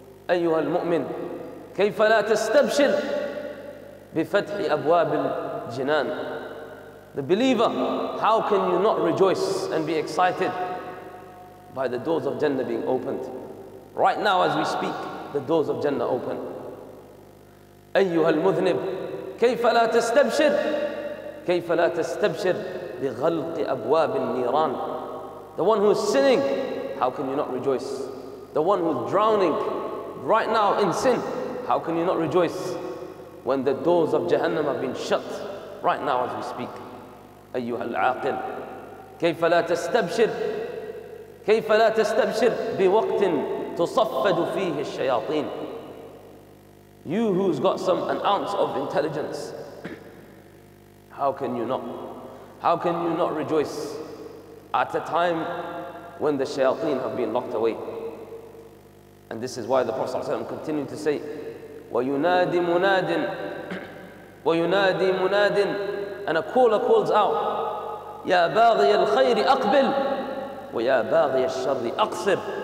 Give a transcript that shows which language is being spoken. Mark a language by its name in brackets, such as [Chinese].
[Arabic] أيها المؤمن, كيف لا تستبشر بفتح أبواب الجنان؟ [English] The believer, how can you not rejoice and be excited by the doors of Jannah being opened? Right now as we speak, the doors of Jannah open. [Arabic] أيها المذنب, كيف لا تستبشر؟ كيف لا تستبشر بغلق أبواب النيران؟ [English] The one who is sinning, how can you not rejoice? The one who is drowning right now in sin, how can you not rejoice when the doors of Jahannam have been shut right now as we speak? [Arabic] أيها العاقل, كيف لا تستبشر؟ كيف لا تستبشر بوقت تصفد فيه الشياطين؟ [English] You who's got an ounce of intelligence, how can you not? How can you not rejoice at a time when the shayateen have been locked away? And this is why the Prophet ﷺ continued to say, [Arabic] وَيُنَادِي مُنَادٍ وَيُنَادِي مُنَادٍ, [English] and a caller calls out, [Arabic] يَا بَاغِيَ الْخَيْرِ أَقْبِلْ وَيَا بَاغِيَ الشَّرِّ أَقْصِرْ.